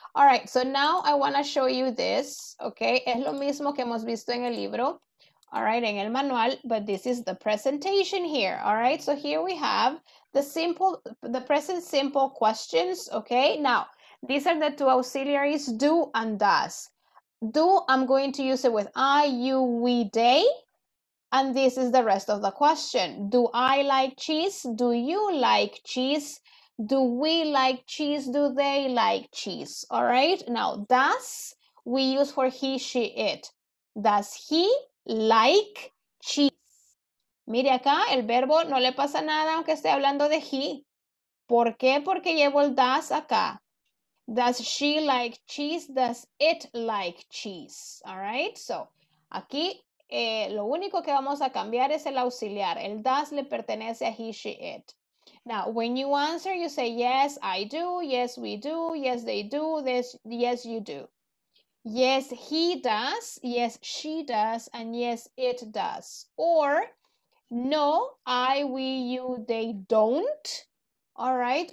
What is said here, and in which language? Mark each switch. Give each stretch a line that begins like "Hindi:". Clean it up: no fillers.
English: All right, so now I want to show you this.
Spanish: Ok, es lo mismo que hemos visto en el libro.
English: All right,
Spanish: en el manual,
English: but this is the presentation here. All right, so here we have the present simple questions, okay? Now, these are the two auxiliaries, do and does. Do, I'm going to use it with I, you, we, they, and this is the rest of the question. Do I like cheese? Do you like cheese? Do we like cheese? Do they like cheese? All right, now, does, we use for he, she, it. Does he like cheese?
Spanish: Mire acá, el verbo no le pasa nada aunque esté hablando de he. ¿Por qué? Porque llevo el does acá.
English: Does she like cheese? Does it like cheese? All right.
Spanish: So, aquí lo único que vamos a cambiar es el auxiliar. El does le pertenece a he, she, it.
English: Now, when you answer, you say, yes, I do. Yes, we do. Yes, they do. This, yes, you do. Yes, he does. Yes, she does. And yes, it does. Or, no, I, we, you, they don't. All right.